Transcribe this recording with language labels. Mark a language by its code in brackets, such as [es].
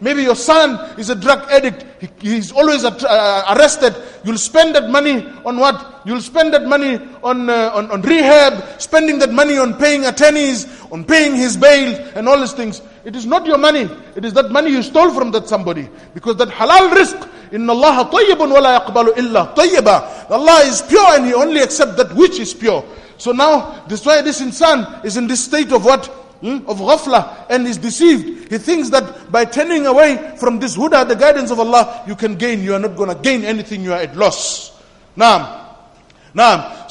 [en] Maybe your son is a drug addict. He's always arrested. You'll spend that money on what? You'll spend that money on rehab, spending that money on paying attorneys, on paying his bail, and all these things. It is not your money. It is that money you stole from that somebody. Because that halal risk, [ar] إِنَّ اللَّهَ طَيِّبٌ وَلَا يَقْبَلُ إِلَّا طَيِّبًا. [en] Allah is pure and He only accepts that which is pure. So now, this why this insan is in this state of what? Of ghafla, and is deceived. He thinks that by turning away from this huda, the guidance of Allah, you can gain. You are not going to gain anything. You are at loss. Naam.